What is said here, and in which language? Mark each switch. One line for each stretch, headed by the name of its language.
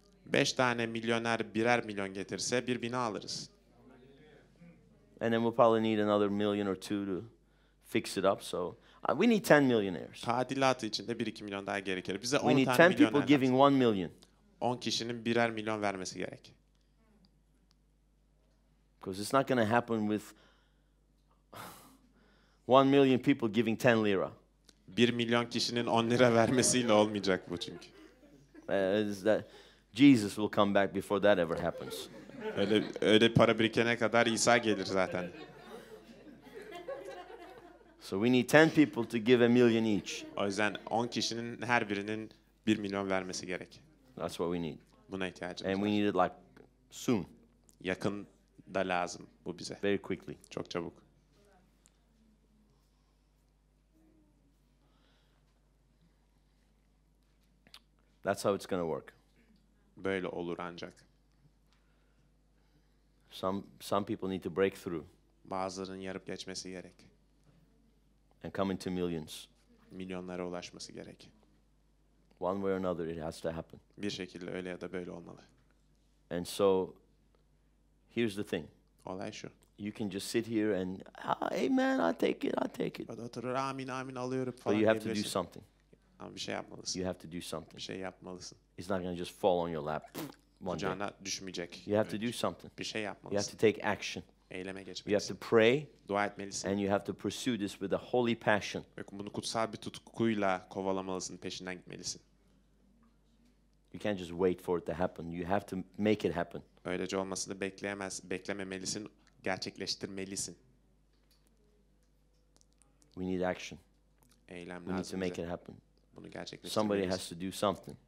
Turkish: 5 tane milyoner birer milyon getirse bir bina alırız.
English: And then we'll probably need another million or two to fix it up. So we need 10 millionaires.
Turkish: Tadilatı için de 1-2 milyon daha gerekir. Bize 10 tane milyon.
English: We need 10 people giving 1 million.
Turkish: 10 kişinin birer milyon vermesi gerek.
English: Because it's not going to happen with 1 million people giving 10 lira.
Turkish: 1 milyon kişinin 10 lira vermesiyle olmayacak bu çünkü.
English: Is that Jesus will come back before that ever happens.
Turkish: Öyle para birikene kadar İsa gelir zaten.
English: So we need 10 people to give a million each.
Turkish: O yüzden 10 kişinin her birinin 1 milyon vermesi gerek.
English: That's what we need.
Turkish: Buna ihtiyacımız var.
English: And we need it like soon.
Turkish: Yakında lazım bu bize.
English: Very quickly.
Turkish: Çok çabuk.
English: That's how it's going to work.
Turkish: Böyle olur ancak.
English: Some people need to break through.
Turkish: Bazılarının yarıp geçmesi gerek.
English: And come into millions.
Turkish: Milyonlara ulaşması gerek.
English: One way or another it has to happen.
Turkish: Bir şekilde öyle ya da böyle olmalı.
English: And so here's the thing.
Turkish: Olay şu.
English: You can just sit here and amen, I take it.
Turkish: Ya da oturur, amin alıyorum falan.
English: But you have to do something.
Turkish: Ama bir şey yapmalısın.
English: You have to do something.
Turkish: Bir şey yapmalısın.
English: It's not going to just fall on your lap.
Turkish: Kucağına düşmeyecek.
English: You have to do something.
Turkish: Bir şey yapmalısın.
English: You have to take action.
Turkish: Eyleme geçmelisin.
English: You have to pray.
Turkish: Dua etmelisin.
English: And you have to pursue this with a holy passion.
Turkish: Ve bunu kutsal bir tutkuyla kovalamalısın, peşinden gitmelisin.
English: You can't just wait for it to happen. You have to make it happen.
Turkish: Öylece olmasını beklememelisin, gerçekleştirmelisin.
English: We need action.
Turkish: Eylem lazım.
English: We need to make it happen.
Turkish: Bunu gerçekleştirmeliyiz.
English: Somebody has to do something.